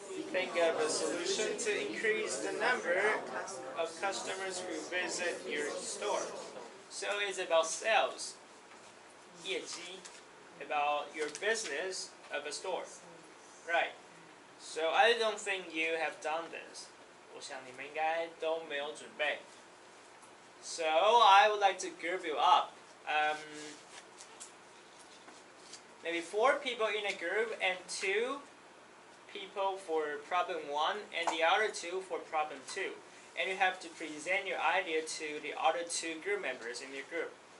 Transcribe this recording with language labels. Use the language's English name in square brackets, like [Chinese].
[English] Think of a solution to increase the number of customers who visit your store. So it's about sales, 业绩, about your business of a store. Right. So I don't think you have done this. [Chinese] 我想你们应该都没有准备。 [English] So I would like to group you up. Maybe 4 people in a group and 2 people for problem 1 and the other 2 for problem 2. And you have to present your idea to the other 2 group members in your group.